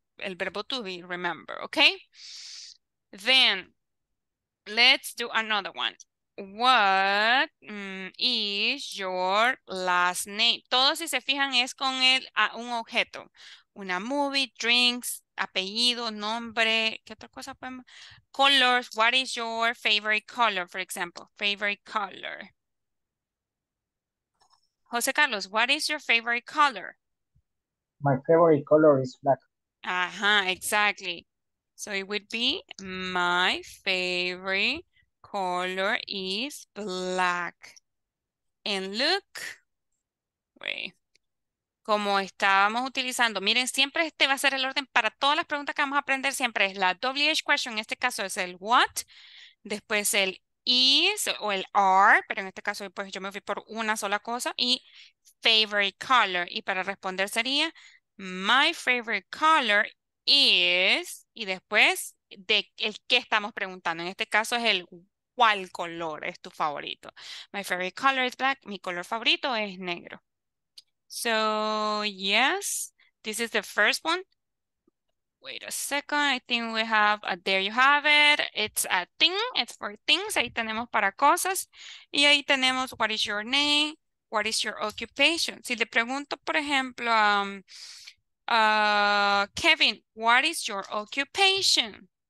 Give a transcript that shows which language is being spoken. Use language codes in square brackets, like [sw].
[es] El verbo [en] to be, remember, okay? Then, let's do another one. What is your last name? [es] Todos, si se fijan, es con el a un objeto. Una movie, drinks, apellido, nombre, ¿qué otra cosa podemos? [en] Colors, what is your favorite color, for example? Favorite color. José Carlos, what is your favorite color? My favorite color is black. Ajá, exactly. So it would be my favorite color is black. And look, wait. [es] Como estábamos utilizando, miren, siempre este va a ser el orden para todas las preguntas que vamos a aprender, siempre es la WH question, en este caso es el what, después el is o el are, pero en este caso pues, yo me fui por una sola cosa, y favorite color, y para responder sería, [en] my favorite color is, [es] y después de el que estamos preguntando, en este caso es el cuál color es tu favorito, [en] my favorite color is black, [es] mi color favorito es negro. [en] So, yes, this is the first one. Wait a second, I think we have, there you have it. It's a thing, it's for things. [es] Ahí tenemos para cosas. Y ahí tenemos, [en] what is your name? What is your occupation? [es] Si le pregunto, por ejemplo, Kevin, [en] what is your occupation?